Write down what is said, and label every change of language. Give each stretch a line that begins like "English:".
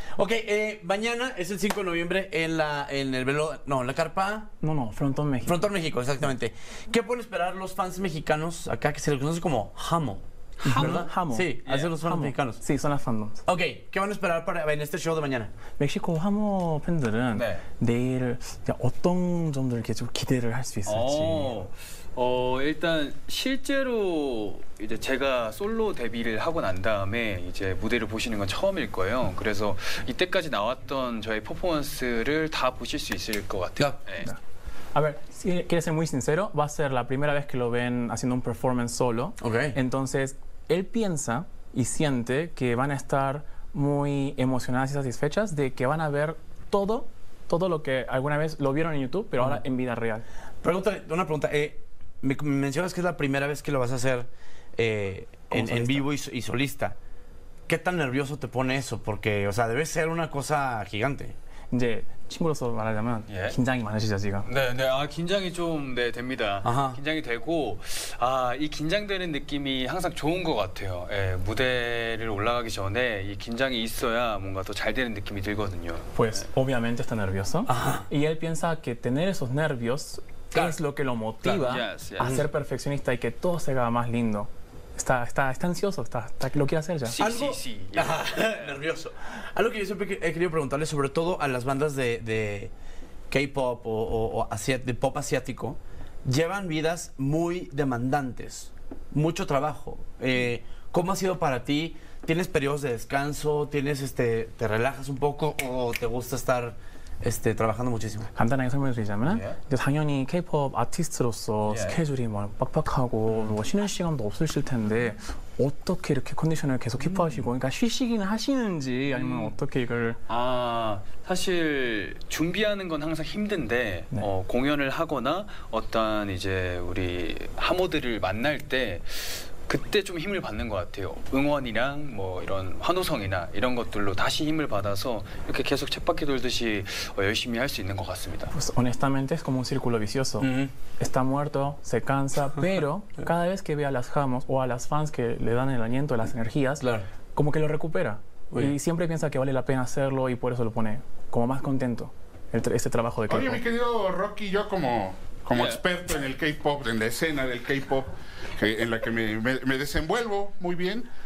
Spanish: Ok, mañana es el 5 de noviembre en la carpa Frontón México. Frontón México, exactamente. ¿Qué pueden esperar los fans mexicanos acá que se les conoce como Jamo? Hamo. Sí, así son los fans mexicanos. Sí, son las fandoms. Ok, ¿qué van a esperar en este show de mañana?
Korean: México, Hamo, fans들은 내일 어떤 점들 계속 기대를 할 수 있을지. 일단 실제로 이제 제가 솔로 데뷔를 하고 난 다음에 이제 무대를 보시는 건 처음일 거예요. 그래서 이때까지 나왔던 저의 퍼포먼스를 다 보실 수 있을 것 같아요.
Spanish: A ver, si quieres ser muy sincero, va a ser la primera vez que lo ven haciendo un performance solo. Okay. Entonces, él piensa y siente que van a estar muy emocionadas y satisfechas de que van a ver todo lo que alguna vez lo vieron en YouTube, pero ahora en vida real. Una pregunta. Me mencionas que es la primera vez que lo vas a hacer en vivo y solista. ¿Qué tan nervioso te pone eso? Porque, o sea, debe ser una cosa gigante.
Korean: 이제 친구로서 말하자면 긴장이 많으시죠 지금? 네네 긴장이 좀 됩니다. 긴장이 되고 이 긴장되는 느낌이 항상 좋은 것 같아요. 예, 무대를 올라가기 전에 이 긴장이 있어야 뭔가 더 잘 되는 느낌이 들거든요.
Spanish: Pues obviamente está nervioso. Y él piensa que tener esos nervios es lo que lo motiva a ser perfeccionista y que todo se haga más lindo. Está ansioso, está lo quiere hacer ya. Sí. Nervioso. Algo que yo siempre he querido preguntarle, sobre todo a las bandas de K-pop de pop asiático, llevan vidas muy demandantes, mucho trabajo. ¿Cómo ha sido para ti? ¿Tienes periodos de descanso? ¿Tienes te relajas un poco o te gusta estar trabajando muchísimo?
Korean: 간단하게 설명을 드리자면 당연히 K-pop 아티스트로서 스케줄이 뭐 빡빡하고 뭐 쉬는 시간도 없으실 텐데 어떻게 이렇게 컨디션을 계속 키프하시고 그러니까 쉬시기는 하시는지 아니면 어떻게 이걸 사실 준비하는 건 항상 힘든데 공연을 하거나 어떤 이제 우리 하모들을 만날 때 그때 좀 힘을 받는 것 같아요. 응원이랑 뭐 이런 환호성이나 이런 것들로 다시 힘을 받아서 이렇게 계속 쳇바퀴 돌듯이 열심히 할 수 있는 것 같습니다.
Spanish: Pues honestamente es como un círculo vicioso. Está muerto, se cansa, pero cada vez que ve a las jamos o a las fans que le dan el aliento, las energías, como que lo recupera. Y siempre piensa que vale la pena hacerlo y por eso lo pone como más contento este trabajo de K-pop. Oye, mi querido Rocky, yo como experto en el K-pop, en la escena del K-pop, en la que me desenvuelvo muy bien.